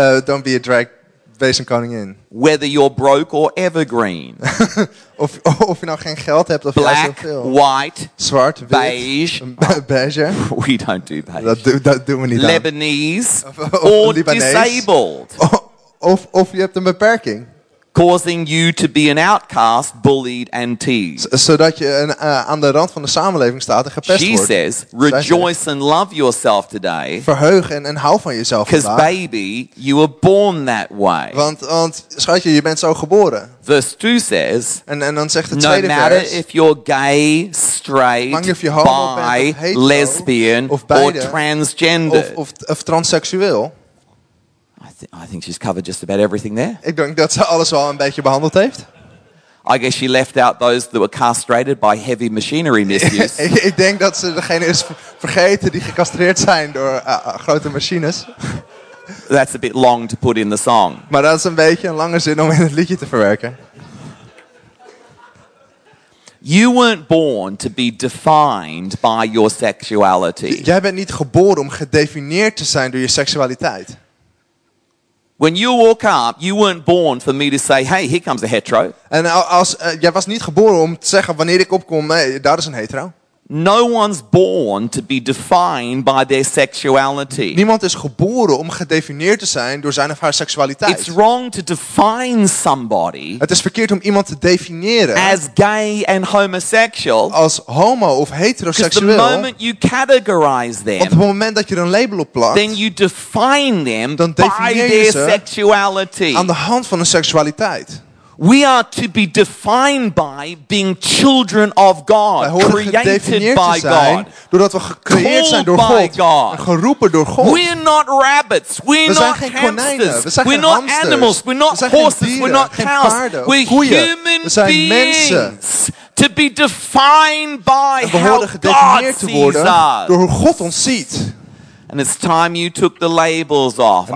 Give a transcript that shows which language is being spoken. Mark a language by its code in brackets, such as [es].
[en] Don't be a drag, [nl] wees een koningin. [en] Whether you're broke or evergreen. [nl] Of je nou geen geld hebt of [en] black, [nl] juist veel. [en] White, [nl] zwart, wit, [en] beige, [nl] beige. [en] We don't do beige. [nl] Dat doen we niet. [en] Lebanese or [nl] Libanees. [en] Disabled. [nl] Of je hebt een beperking. [en] Causing you to be an outcast, bullied and teased. [nl] Zodat je aan de rand van de samenleving staat en gepest [en] She [nl] wordt. [en] She says, rejoice and love yourself today. [nl] Verheug en hou van jezelf vandaag. [en] Because baby, you were born that way. [nl] Want schatje, je bent zo geboren. [en] Verse 2 says, [nl] en dan zegt de [en] no [nl] tweede [en] matter [nl] vers, [en] if you're gay, straight, [nl] bang of je homo [en] bi, [nl] bent, of hetero, [en] lesbian [nl] of beide, [en] or transgender. [nl] Of transseksueel. [en] I think she's covered just about everything there. [nl] Ik denk dat ze alles wel een beetje behandeld heeft. [en] I guess she left out those that were castrated by heavy machinery misuse. [nl] Ik denk dat ze degene is vergeten die gecastreerd zijn door grote machines. [en] That's a bit long to put in the song. [nl] Maar dat is een beetje een lange zin om in het liedje te verwerken. [en] You weren't born to be defined by your sexuality. [nl] Jij bent niet geboren om gedefinieerd te zijn door je seksualiteit. [en] When you walk up, you weren't born for me to say, "Hey, here comes a hetero." [nl] En als jij was niet geboren om te zeggen wanneer ik opkom, hey, daar is een hetero. [en] No one's born to be defined by their sexuality. [nl] Niemand is geboren om gedefinieerd te zijn door zijn of haar seksualiteit. [en] It's wrong to define somebody. [nl] Het is verkeerd om iemand te definiëren [en] as gay and homosexual. [nl] Als homo of heteroseksueel. [en] The moment you categorize them. [nl] Op het moment dat je een label op plakt, [en] then you define them [nl] dan definieer [en] by [nl] je [en] their sexuality. [nl] Aan de hand van hun seksualiteit. [en] We are to be defined by being children of God, created by God, [nl] doordat we gecreëerd zijn door God, geroepen door God. [en] We're not rabbits, we're not hamsters, we're not animals, we're not horses, we're not cows, we're human beings. To be defined by how God sees us, [nl] door hoe God ons ziet. [en] And it's time you took the labels off